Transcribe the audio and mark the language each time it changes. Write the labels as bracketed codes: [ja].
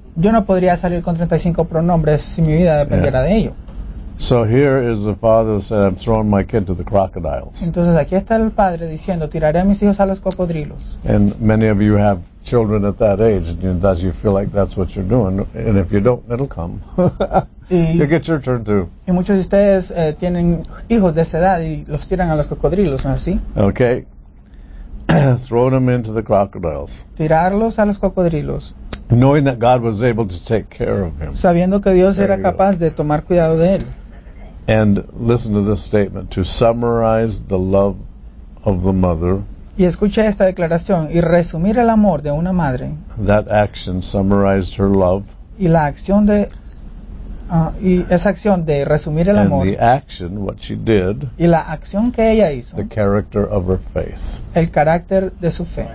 [es] Yo no podría salir con 35 pronombres si mi vida dependiera de ello. [en] So here is the father saying, I'm throwing my kid to the crocodiles. [es] Entonces aquí está el padre diciendo, tiraré a mis hijos a los cocodrilos. [en] And many of you have children at that age, and that you feel like that's what you're doing. And if you don't, it'll come. You'll get your turn too. [es] Y muchos de ustedes tienen hijos de esa edad y los tiran a los cocodrilos, ¿no es así? [en] Okay. Throw them into the crocodiles. [es] Tirarlos a los cocodrilos. [en] Knowing that God was able to take care of him. [es] Sabiendo que Dios era capaz de tomar cuidado de él. [en] And listen to this statement, to summarize the love of the mother. [es] Y escucha esta declaración, y resumir el amor de una madre. [en] That action summarized her love. [es] Y la acción de, y esa acción de resumir el amor. [en] And the action, what she did. [es] Y la acción que ella hizo. [en] The character of her faith. [es] El carácter de su fe.